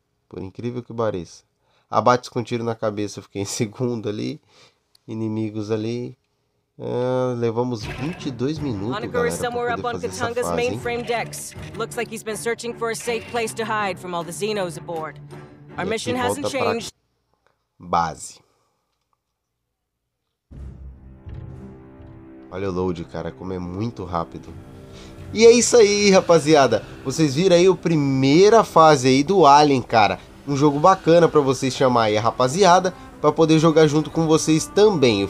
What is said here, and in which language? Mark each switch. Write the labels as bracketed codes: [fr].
[pt] Por incrível que pareça. Abates com tiro na cabeça, eu fiquei em segundo ali. Inimigos ali. Levamos 22 minutos, galera, pra poder fazer essa fase, hein? [en] Mainframe decks. Looks like he's been searching for a safe place to hide from all the Xenos aboard. Our mission hasn't changed. Base. [pt] Olha o load, cara, como é muito rápido. E é isso aí, rapaziada. Vocês viram aí a primeira fase aí do Alien, cara. Um jogo bacana pra vocês chamar aí a rapaziada pra poder jogar junto com vocês também.